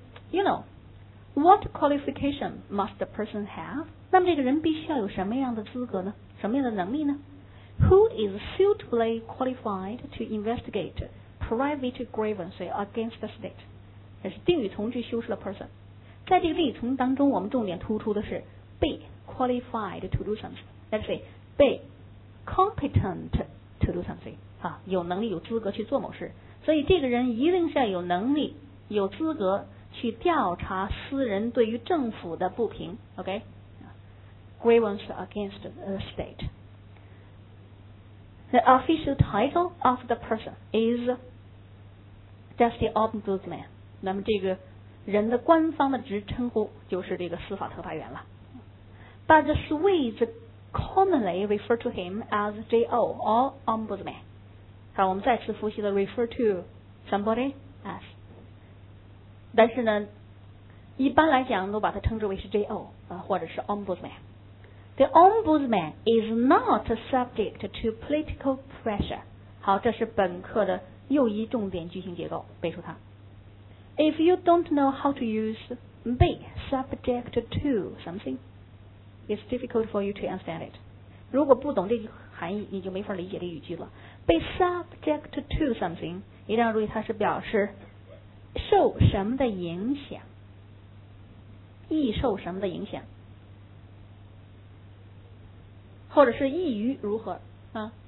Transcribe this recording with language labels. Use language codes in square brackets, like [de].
[en] You know, what qualification must the person have? [zh] 那么这个人必须要有什么样的资格呢？什么样的能力呢 [en] ？Who is suitably qualified to investigate? Private grievance against the state. [zh] 这是定语从句修饰的 [en] person. [zh] 在这个例从当中我们重点突出的是 [en] be qualified to do something. Let's say, be competent to do something.、啊、 [zh] 有能力有资格去做某事。所以这个人一定是要有能力有资格去调查私人对于政府的不平。 [en] OK? Grievance against the state. The official title of the person is... Just the ombudsman. [zh] 那么这个人的官方的职称呼就是这个司法特派员了。 [en] But the Swedes commonly refer to him as J.O. or ombudsman. [zh] 好，我们再次复习了 [en] refer to somebody as. [zh] 但是呢，一般来讲都把它称之为是 J.O. 或者是 ombudsman. [en] The ombudsman is not subject to political pressure. [zh] 好，这是本课的又一重点句型结构，背出它。 [en] If you don't know how to use be subject to something, it's difficult for you to understand it. [zh] 如果不懂这句含义，你就没法理解这语句了。 [en] Be subject to something, [zh] 一定要注意它是表示受什么的影响，易受什么的影响，或者是易于如何啊。